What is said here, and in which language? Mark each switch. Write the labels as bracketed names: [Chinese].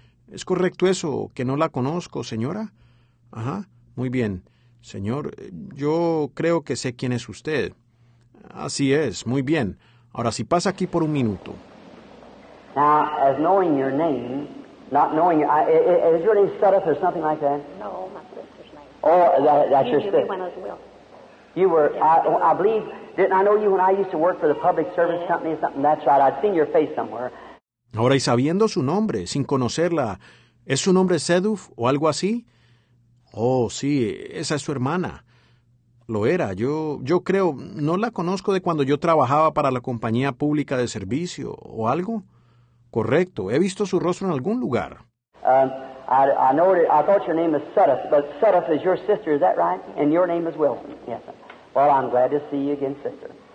[Spanish] ¿Es correcto eso, que no la conozco, señora? Ajá, muy bien. Señor, yo creo que sé quién es usted. Así es, muy bien. Ahora, si pasa aquí por un minuto. [English] Now, as knowing your name, not knowing your... is your name Sutter or something like that? No, my sister's name. Oh, that's your sister. You were, I believe, didn't I know you when I used to work for the public service company or something? That's right, I'd seen your face somewhere. [Spanish] Ahora, y sabiendo su nombre, sin conocerla, ¿es su nombre Seduf o algo así? Oh, sí, esa es su hermana. Lo era, yo creo, no la conozco de cuando yo trabajaba para la compañía pública de servicio o algo. Correcto, he visto su rostro en algún lugar. [English] I know it, I thought your name is Seduf, but Seduf is your sister, is that right? And your name is Wilson, yes. Well, I'm glad to see you again, sister.